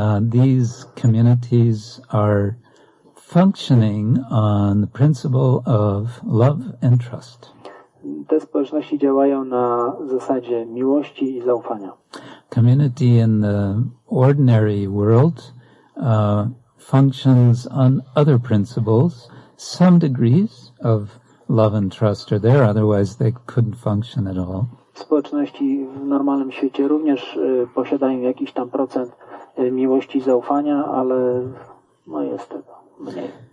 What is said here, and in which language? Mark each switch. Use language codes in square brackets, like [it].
[en] These communities are functioning on the principle of love and trust. [pl] Te społeczności działają na zasadzie miłości i zaufania. [en] Community in the ordinary world functions on other principles, some degrees of love and trust are there, otherwise they couldn't function at all. [pl] Społeczności w normalnym świecie również posiadają jakiś tam procent miłości i zaufania, ale no jest tego mniej.